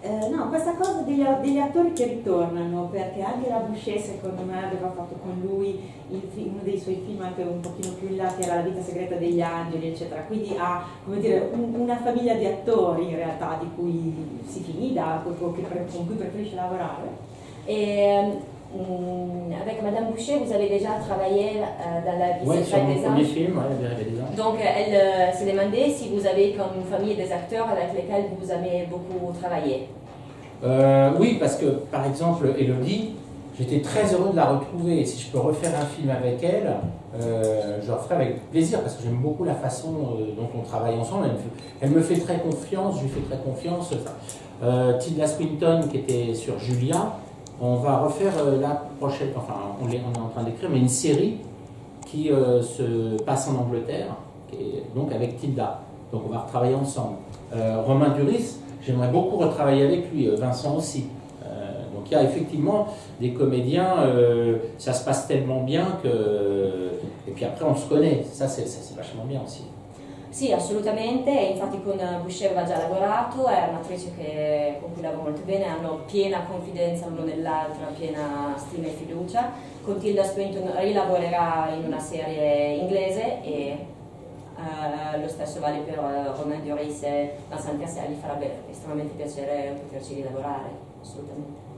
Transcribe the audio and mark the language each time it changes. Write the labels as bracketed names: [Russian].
[Italian] No, questa cosa degli attori che ritornano, perché anche la Boucher, secondo me, aveva fatto con lui uno dei suoi film anche un pochino più in là, che era La vita segreta degli angeli, eccetera. Quindi ha, come dire, una famiglia di attori in realtà di cui si fida, con cui preferisce lavorare. [French] Avec Madame Boucher, vous avez déjà travaillé dans La vie secrète des anges. Oui, sur mon premier film, oui. Donc, elle se demandait si vous avez comme famille des acteurs avec lesquels vous avez beaucoup travaillé. Oui, parce que, par exemple, Élodie, j'étais très heureux de la retrouver. Si je peux refaire un film avec elle, je le ferai avec plaisir, parce que j'aime beaucoup la façon dont on travaille ensemble. Elle me fait très confiance, je lui fais très confiance. Tilda Swinton, qui était sur Julia, on va refaire la prochaine, enfin on est en train d'écrire, mais une série qui se passe en Angleterre, et donc avec Tilda. Donc on va retravailler ensemble. Romain Duris, j'aimerais beaucoup retravailler avec lui, Vincent aussi. Donc il y a effectivement des comédiens, ça se passe tellement bien que... Et puis après on se connaît, ça c'est vachement bien aussi. [Italian] Sì, assolutamente, infatti con Boucher aveva già lavorato, è un'attrice con cui lavoro molto bene, hanno piena confidenza l'uno nell'altro, piena stima e fiducia. Con Tilda Swinton rilavorerà in una serie inglese e lo stesso vale per Romain Duris e Vincent Cassel, gli farà estremamente piacere poterci rilavorare, assolutamente.